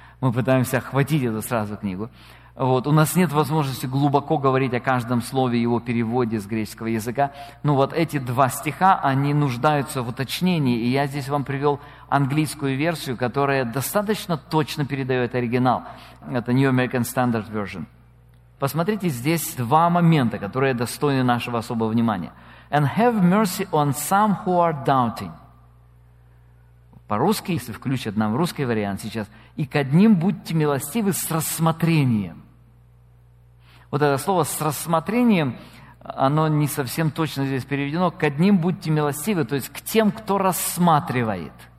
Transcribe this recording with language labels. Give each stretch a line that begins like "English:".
Russian: Мы пытаемся охватить эту сразу книгу. Вот. У нас нет возможности глубоко говорить о каждом слове, его переводе с греческого языка. Но вот эти два стиха, они нуждаются в уточнении. И я здесь вам привел английскую версию, которая достаточно точно передает оригинал. Это New American Standard Version. Посмотрите, здесь два момента, которые достойны нашего особого внимания.
English: And have mercy on some who are doubting.
Russian: По-русски, если включат нам русский вариант сейчас, и к одним будьте милостивы с рассмотрением. Вот это слово «с рассмотрением», оно не совсем точно здесь переведено. К одним будьте милостивы, то есть к тем, кто рассматривает.